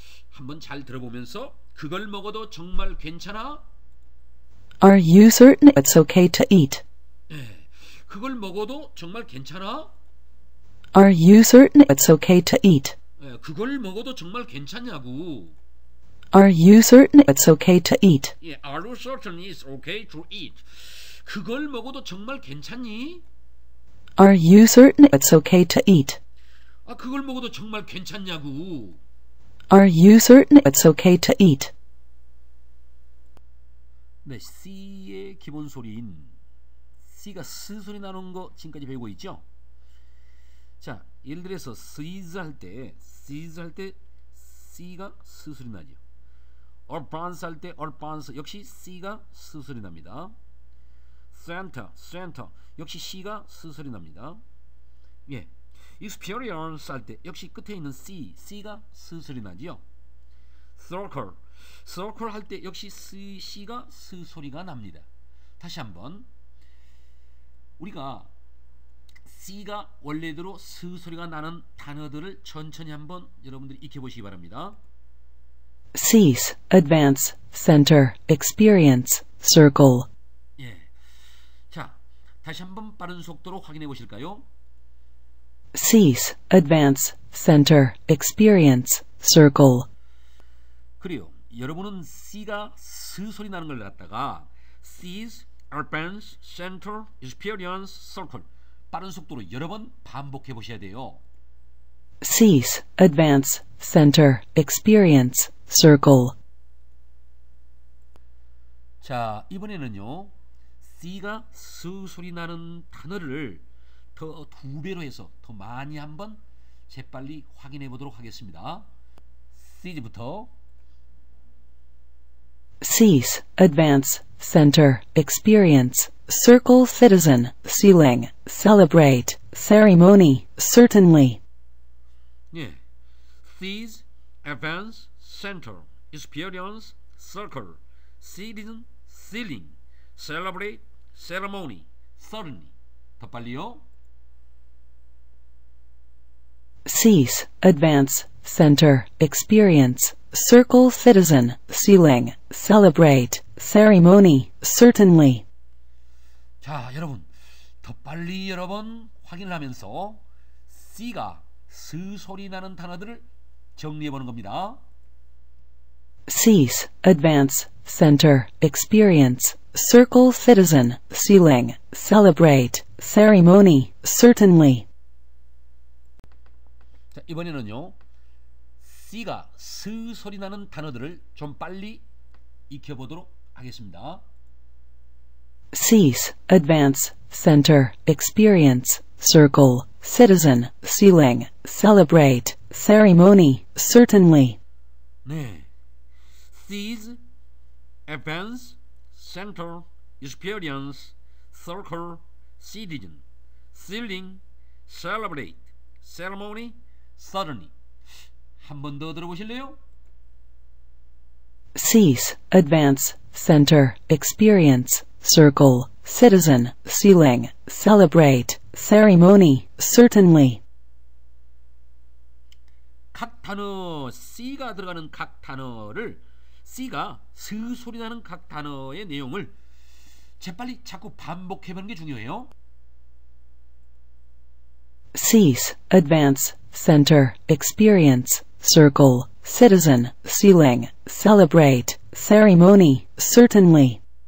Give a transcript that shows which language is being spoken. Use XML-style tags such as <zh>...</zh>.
<ko>한번 잘 들어보면서 그걸 먹어도 정말 괜찮아?</ko> <en>Are you certain it's okay to eat?</en> <ko>네, 그걸 먹어도 정말 괜찮아?</ko> <en>Are you certain it's okay to eat?</en> <ko>네, 그걸 먹어도 정말 괜찮냐고.</ko> <en>Are you certain it's okay to eat? Yeah, are you certain it's okay to eat?</en> <ko>그걸 먹어도 정말 괜찮니?</ko> <en>Are you certain it's okay to eat?</en> <ko>아, 그걸 먹어도 정말 괜찮냐고.</ko> <en>Are you certain it's okay to eat?</en> <ko>네, C의 기본 소리인 C가 스 소리 나는 거 지금까지 배우고 있죠? 자, 예를 들어서 sneeze 할 때, sneeze 할 때 C가 스 소리 나죠. advance 할 때 advance 역시 C가 스 소리 납니다. center, center 역시 C가 스 소리 납니다. 예. experience 할 때 역시 끝에 있는 C, C가 스 소리 나지요. circle, circle 할 때 역시 C가 스 소리가 납니다. 다시 한번 우리가 C가 원래대로 스 소리가 나는 단어들을 천천히 한번 여러분들이 익혀보시기 바랍니다.</ko> <en>Cease, advance, center, experience, circle.</en> <ko>예. 자, 다시 한번 빠른 속도로 확인해 보실까요?</ko> <en>Cease, advance, center, experience, circle.</en> <ko>그리고 여러분은 C가 스 소리 나는 걸 갖다가</ko> <en>cease, advance, center, experience, circle.</en> <ko>빠른 속도로 여러 번 반복해 보셔야 돼요.</ko> <en>Cease, advance, center, experience, circle.</en> <ko>자, 이번에는요. C가 스 소리 나는 단어를 더 두 배로 해서 더 많이 한번 재빨리 확인해 보도록 하겠습니다. C부터</ko> <en>Cease, advance, center, experience, circle, citizen, ceiling, celebrate, ceremony, certainly.</en> <ko>예.</ko> <en>Cease, advance, center, experience, circle, citizen, ceiling, celebrate, ceremony, certainly.</en> <ko>더 빨리요.</ko> <en>Cease, advance, center, experience, circle, citizen, ceiling, celebrate, ceremony, certainly.</en> <ko>자, 여러분, 더 빨리 여러 번 확인을 하면서 C가 스 소리 나는 단어들을 정리해보는 겁니다.</ko> <en>Cease, advance, center, experience, circle, citizen, ceiling, celebrate, ceremony, certainly.</en> <ko>자, 이번에는요. C가 스 소리 나는 단어들을 좀 빨리 익혀보도록 하겠습니다.</ko> <en>Cease, advance, center, experience, circle, citizen, ceiling, celebrate, ceremony, certainly.</en> <ko>네.</ko> <en>Cease, advance, center, experience, circle, citizen, ceiling, celebrate, ceremony, certainly.</en> <ko>한 번 더 들어보실래요?</ko> <en>Cease, advance, center, experience, circle, citizen, ceiling, celebrate, ceremony, certainly.</en> <ko>각 단어, C가 들어가는 각 단어를, C가 스 소리 나는 각 단어의 내용을 재빨리 자꾸 반복해보는 게 중요해요.</ko> <en>Cease, advance, center, experience, circle, citizen, ceiling, celebrate, ceremony, certainly.</en>